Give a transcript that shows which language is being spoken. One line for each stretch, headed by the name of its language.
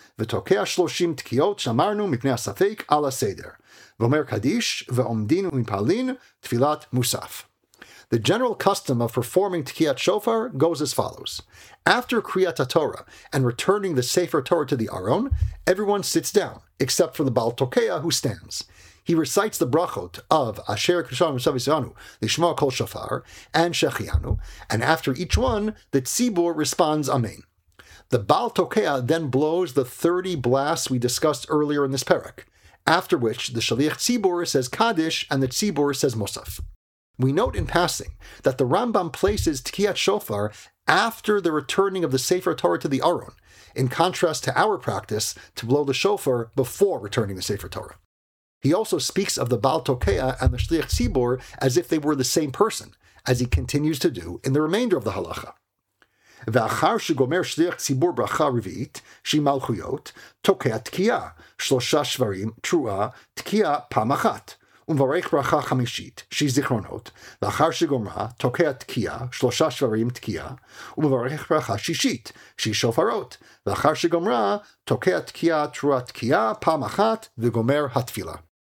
Hebrew: ותוקע 30 תקיעות שמרנו מפני הספק על הסדר, ואומר קדיש ועומדין ומפעלין תפילת מוסף.
English: The general custom of performing תקיעת שופר goes as follows. After קריאת התורה and returning the Sefer Torah to the Aron, everyone sits down, except for the Baal Tokea who stands. He recites the brachot of Asher Kedushanu Mashta B'Sivanu, Lishmo Kol Shofar, and Shechianu, and after each one, the Tzibur responds Amen. The Baal Tokea then blows the 30 blasts we discussed earlier in this perek, after which the Shaliach Tzibur says Kaddish and the Tzibur says Musaf. We note in passing that the Rambam places Tkiat Shofar after the returning of the Sefer Torah to the Aron, in contrast to our practice to blow the Shofar before returning the Sefer Torah. He also speaks of the Baal Tokea and the Shaliach Tzibur as if they were the same person, as he continues to do in the remainder of the halacha.
Hebrew: ואחר שגומר שליח ציבור ברכה רביעית, שהיא מלכויות, תוקע תקיעה, שלושה שברים, תרועה, תקיעה פעם אחת, ומברך ברכה חמישית, שהיא זיכרונות, ואחר שגומרה, תוקע תקיעה, שלושה שברים, תקיעה, ומברך ברכה שישית, שהיא שופרות, ואחר שגומרה, תוקע תקיעה, תרועה תקיעה, פעם אחת, וגומר התפילה.